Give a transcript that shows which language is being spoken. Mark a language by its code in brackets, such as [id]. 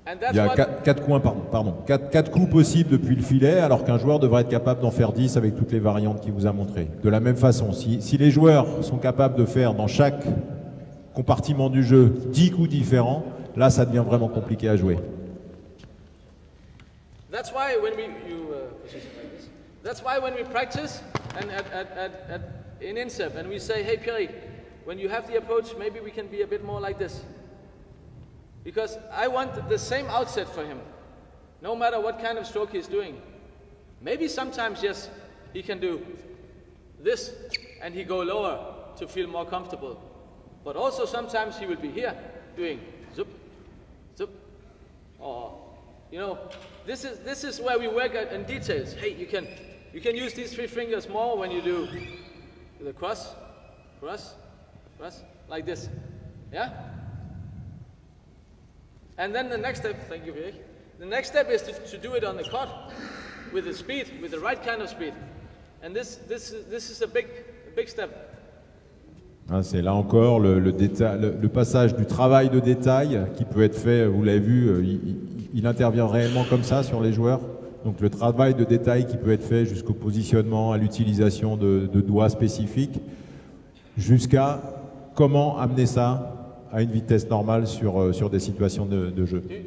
[fr] Il y a quatre coups possibles depuis le filet, alors qu'un joueur devrait être capable d'en faire 10 avec toutes les variantes qu'il vous a montrées. De la même façon, si les joueurs sont capables de faire dans chaque compartiment du jeu 10 coups différents, là ça devient vraiment compliqué à jouer. [en] That's why when we practice and in INSEP and we say, hey Pierre, when you have the approach, maybe we can be a bit more like this. Because I want the same outset for him, no matter what kind of stroke he's doing. Maybe sometimes, yes, he can do this and he go lower to feel more comfortable. But also sometimes he will be here doing zup, zup. Or, you know, this is where we work in details. Hey, you can use these three fingers more when you do the cross, cross, cross, like this, yeah? And then the next step, thank you, Vic. The next step is to do it on the court with the speed, with the right kind of speed. And this is a big step. [fr] Ah, c'est là encore le passage du travail de détail qui peut être fait, vous l'avez vu, il intervient réellement comme ça sur les joueurs. Donc le travail de détail qui peut être fait jusqu'au positionnement, à l'utilisation de doigts spécifiques, jusqu'à comment amener ça à une vitesse normale sur des situations de jeu.